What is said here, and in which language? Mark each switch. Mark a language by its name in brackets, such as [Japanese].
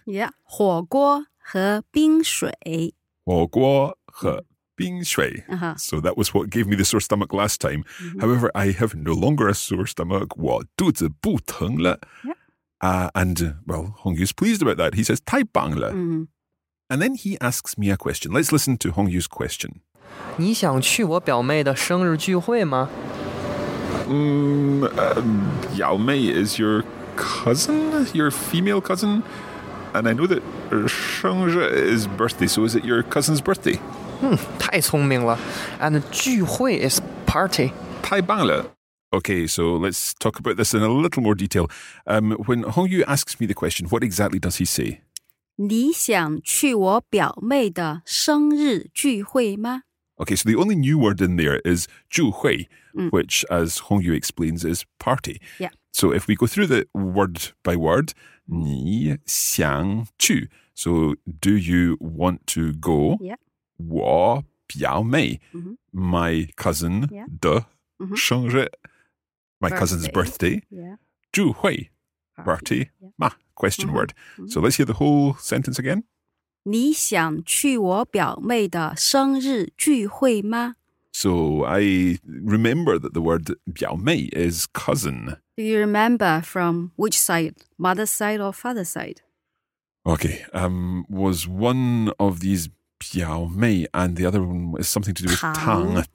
[English] Yeah, [Chinese] 火锅和冰水。火锅和冰水. [English] So that was what gave me the sore stomach last time. Mm-hmm. However, I have no longer a sore stomach. [Chinese] 我肚子不疼了. [English] Yeah. And Hong Yu's pleased about that. He says, [Chinese] 太棒了. [English] Mm-hmm. And then he asks me a question. Let's listen to Hong Yu's question. [Chinese] 你想去我表妹的生日聚会吗? [English] Yao Mei is your cousin? Your female cousin? And I know that 生日 is birthday, so is it your cousin's birthday? [Chinese] 太聪明了。 [English] And 聚会 is party. [Chinese] 太棒了。 [English] Okay, so let's talk about this in a little more detail. When Hong Yu asks me the question, what exactly does he say? [Chinese] 你想去我表妹的生日聚会吗? [English] Okay, so the only new word in there is 聚会, which, as Hong Yu explains, is party. Yeah. So if we go through the word by word, [Chinese] 你想去, [English] so do you want to go? Yeah. [Chinese] 我表妹, [English] mm-hmm. my cousin, yeah. [Chinese] 的生日, [English] my birthday. Cousin's birthday. Yeah. 聚会, party, yeah. ma, question mm-hmm. word. Mm-hmm. So let's hear the whole sentence again. [Chinese] 你想去我表妹的生日聚会吗? [English] So I remember that the word 表妹 is cousin. Do you remember from which side? Mother's side or father's side? Okay. Was one of these 表妹 and the other one is something to do with 堂.